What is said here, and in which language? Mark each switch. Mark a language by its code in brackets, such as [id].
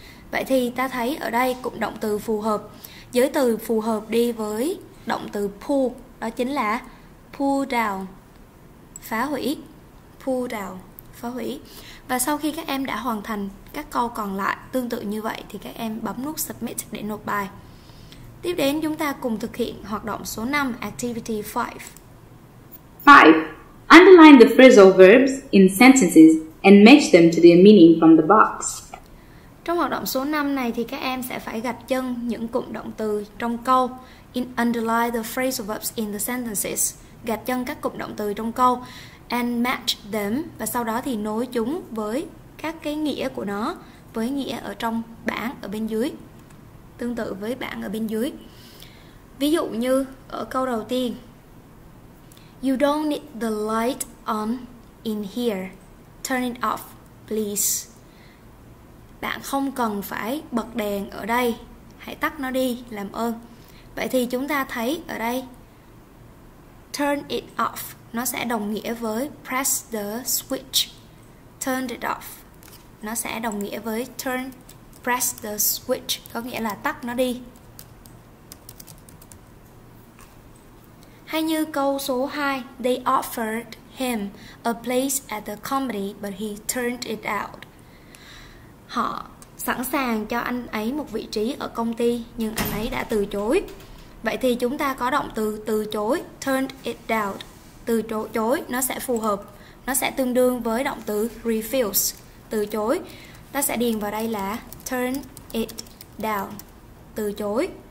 [vi] Vậy thì ta thấy ở đây cụm động từ phù hợp, giới từ phù hợp đi với động từ pull, đó chính là pull down, phá hủy, pull down, phá hủy. Và sau khi các em đã hoàn thành các câu còn lại tương tự như vậy thì các em bấm nút submit để nộp bài. Tiếp đến chúng ta cùng thực hiện hoạt động số 5, activity 5. [en] 5. Underline the phrasal verbs in sentences and match them to their meaning from the box. [vi] Trong hoạt động số 5 này thì các em sẽ phải gạch chân những cụm động từ trong câu, [en] in underline the phrasal verbs in the sentences, [vi] gạch chân các cụm động từ trong câu, [en] and match them, [vi] và sau đó thì nối chúng với các cái nghĩa của nó, với nghĩa ở trong bảng ở bên dưới, tương tự với bảng ở bên dưới. Ví dụ như ở câu đầu tiên, [en] you don't need the light on in here, turn it off please. [vi] Bạn không cần phải bật đèn ở đây, hãy tắt nó đi, làm ơn. Vậy thì chúng ta thấy ở đây turn it off nó sẽ đồng nghĩa với [en] press the switch. [vi] Turn it off nó sẽ đồng nghĩa với [en] turn press the switch, [vi] có nghĩa là tắt nó đi. Hay như câu số 2, [en] they offered him a place at the comedy but he turned it out. [vi] Họ sẵn sàng cho anh ấy một vị trí ở công ty nhưng anh ấy đã từ chối. Vậy thì chúng ta có động từ từ chối, turned it down. Từ chối nó sẽ phù hợp, nó sẽ tương đương với động từ refuse, từ chối. Ta sẽ điền vào đây là turn it down, từ chối.